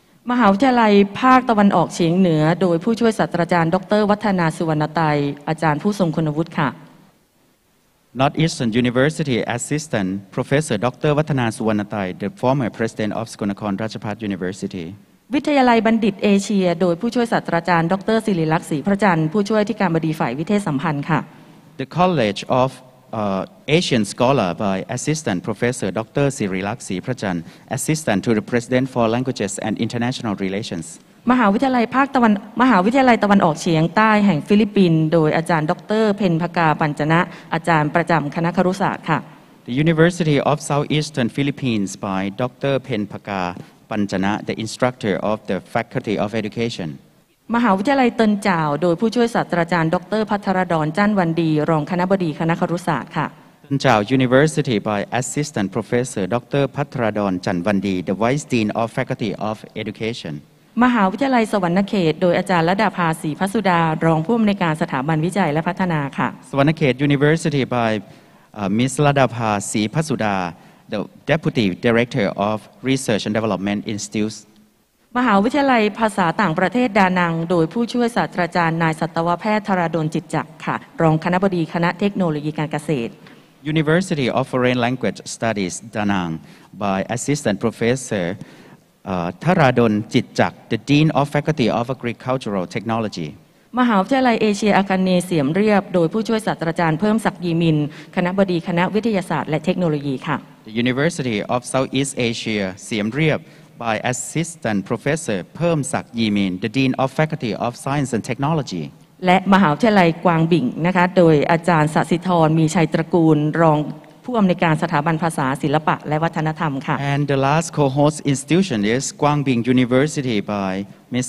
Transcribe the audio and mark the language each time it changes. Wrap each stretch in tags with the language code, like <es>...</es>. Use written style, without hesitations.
<th>มหาวิทยาลัยภาคตะวันออกเฉียงเหนือโดยผู้ช่วยศาสตราจารย์ดร.วัฒนาสุวรรณไตยอาจารย์ผู้ทรงคุณวุฒิค่ะ</th> <en>Northeastern University Assistant Professor Dr. วัฒนาสุวรรณไตย the former President of Sakonakorn Ratchaphat University</en> <th>วิทยาลัยบัณฑิตเอเชียโดยผู้ช่วยศาสตราจารย์ดร.ศิริลักษณ์ศรีพระจันทร์ผู้ช่วยอธิการบดีฝ่ายวิเทศสัมพันธ์ค่ะ</th> <en>The College of Asian Scholar by Assistant Professor Dr. Sirilakshi Prajan, Assistant to the President for Languages and International Relations.</en> <th>มหาวิทยาลัยภาคตะวันมหาวิทยาลัยตะวันออกเฉียงใต้แห่งฟิลิปปินส์โดยอาจารย์ดร.เพ็ญภกาปัญจนะอาจารย์ประจำคณะครุศาสตร์ค่ะ</th> <en>The University of Southeastern Philippines by Dr. เพ็ญภกาปัญจนะ the Instructor of the Faculty of Education.</en> <th>มหาวิทยาลัยเตินเจ่าโดยผู้ช่วยศาสตราจารย์ดร.ภัทรดอนจั่นวันดีรองคณบดีคณะครุศาสตร์ค่ะ</th> <en>Tân Trào University by Assistant Professor Dr. Patradon Chanvandi, the Vice Dean of Faculty of Education.</en> <th>มหาวิทยาลัยสวรรณเขตโดยอาจารย์ลดาภาศรีพัสสุดารองผู้อำนวยการสถาบันวิจัยและพัฒนาค่ะ</th> <en>สวรรณเขต University by Ms. ลดาภาศรีพัสสุดา the Deputy Director of Research and Development Institutes</en> <th>มหาวิทยาลัยภาษาต่างประเทศดานังโดยผู้ช่วยศาสตราจารย์นายสัตวแพทย์ธราดลจิตจักรค่ะรองคณบดีคณะเทคโนโลยีการเกษตร</th> <en>University of Foreign Language Studies Danang by Assistant Professor ธราดลจิตจักร the Dean of Faculty of Agricultural Technology</en> <th>มหาวิทยาลัยเอเชียอาคาเนย์เสียมเรียบโดยผู้ช่วยศาสตราจารย์เพิ่มศักดิ์ยีมินคณบดีคณะวิทยาศาสตร์และเทคโนโลยีค่ะ</th> <en>The University of Southeast Asia เสียมเรียบby assistant professor เพิ่มศักดิ์ยีมิน the dean of faculty of science and technology</en> <th>และมหาวิทยาลัยกวางบิ่งนะคะโดยอาจารย์สสิธรมีชัยตระกูลรองผู้อำนวยการสถาบันภาษาศิลปะและวัฒนธรรมค่ะ</th> <en>and the last co-host institution is Guangbing University by Ms.</en>